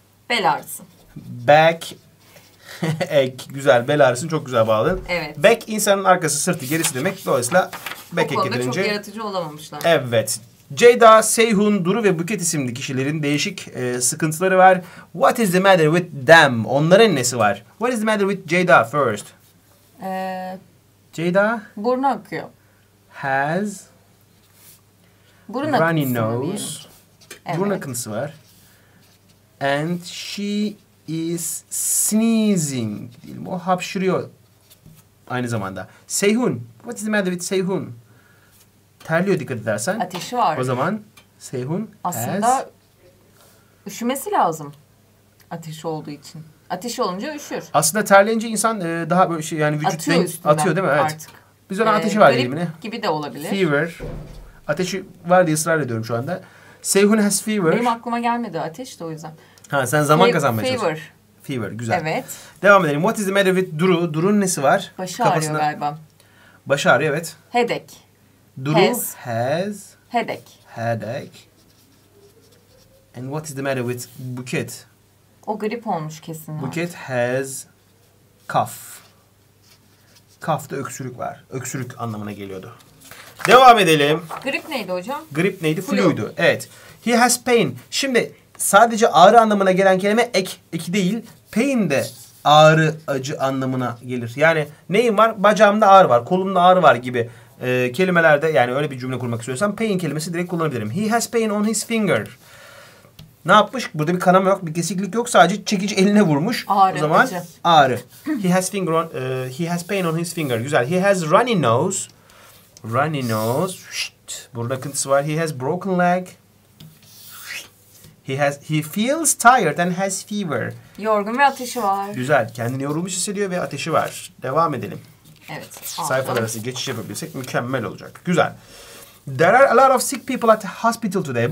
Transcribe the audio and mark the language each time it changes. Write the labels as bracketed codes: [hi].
[tr] Bel ağrısı. [en] Back... [tr] güzel, bel ağrısı çok güzel bağladın. Evet. Back insanın arkası, sırtı, gerisi demek. Dolayısıyla back'e gidilince... O konuda çok yaratıcı olamamışlar. Evet. Ceyda, Seyhun, Duru ve Buket isimli kişilerin değişik sıkıntıları var. [en] What is the matter with them? [tr] Onların nesi var? [en] What is the matter with Ceyda first? [tr] Ceyda... Burnu akıyor. Has... [en] Burun runny nose. [tr] Evet. Burun akıntısı var. [en] And she is sneezing. [tr] O hapşırıyor aynı zamanda. Seyhun. [en] What is the matter with Seyhun? [tr] Terliyor dikkat edersen. Ateşi var. O zaman Seyhun aslında üşümesi lazım. Ateşi olduğu için. Ateşi olunca üşür. Aslında terleyince insan daha böyle şey yani vücut atıyor, atıyor değil mi? Evet. Artık. Biz ona ateşi var diyelim. Grip gibi de olabilir. [en] Fever. [tr] Ateşi var diye ısrar ediyorum şu anda. [en] Seyhun has fever. [tr] Benim aklıma gelmedi ateş de o yüzden. Ha sen zaman kazanmaya çalışıyorsun. Fever. Fever güzel. Evet. Devam edelim. [en] What is the matter with Duru? [tr] Duru'nun nesi var? Başı kafasına... ağrıyor galiba. Başı ağrıyor evet. [en] Headache. Duru has. Headache. Headache. And what is the matter with Buket? [tr] O grip olmuş kesin. [en] Buket has cough. [tr] Cough'da öksürük var. Öksürük anlamına geliyordu. Devam edelim. Grip neydi hocam? Grip neydi? Flu'ydu. Evet. [en] He has pain. [tr] Şimdi sadece ağrı anlamına gelen kelime eki değil. Pain de ağrı, acı anlamına gelir. Yani neyim var? Bacağımda ağrı var, kolumda ağrı var gibi kelimelerde yani öyle bir cümle kurmak istiyorsam pain kelimesi direkt kullanabilirim. [en] He has pain on his finger. [tr] Ne yapmış? Burada bir kanama yok, bir kesiklik yok. Sadece çekici eline vurmuş. Ağrı, o zaman acı. Ağrı. [en] He has finger on, he has pain on his finger. [tr] Güzel. [en] He has runny nose. Runny nose. [tr] Şşt. Burada akıntısı var. [en] He has broken leg. He feels tired and has fever. [tr] Yorgun ve ateşi var. Güzel. Kendini yorulmuş hissediyor ve ateşi var. Devam edelim. Evet. Sayfalar arası geçiş yapabilsek mükemmel olacak. Güzel. [en] There are a lot of sick people at the hospital today.